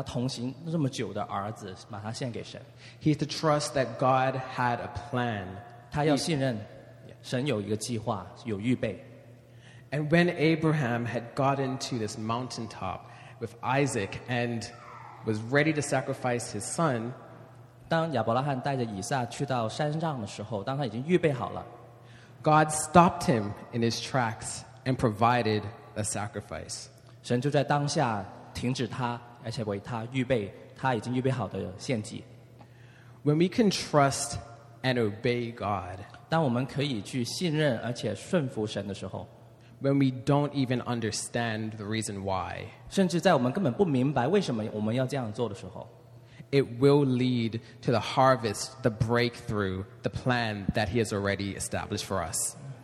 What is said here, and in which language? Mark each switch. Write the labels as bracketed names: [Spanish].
[Chinese] 同样呢，他也要去透过信任去愿意献上他已经跟他同行那么久的儿子，把他献给神。 [English] He had to trust that God had a plan. [Chinese] 他要信任神有一个计划，有预备。 [English] And when Abraham had gotten to this mountaintop with Isaac and was ready to sacrifice his son, [Chinese] 当亚伯拉罕带着以撒去到山上的时候，当他已经预备好了， [English] God stopped him in his tracks and provided a sacrifice. [Chinese] 神就在当下停止他，而且为他预备他已经预备好的献祭。 [English] When we can trust and obey God, [Chinese] 当我们可以去信任而且顺服神的时候， [English] when we don't even understand the reason why, [Chinese] 甚至在我们根本不明白为什么我们要这样做的时候， [English] it will lead to the harvest, the breakthrough, the plan that he has already established for us.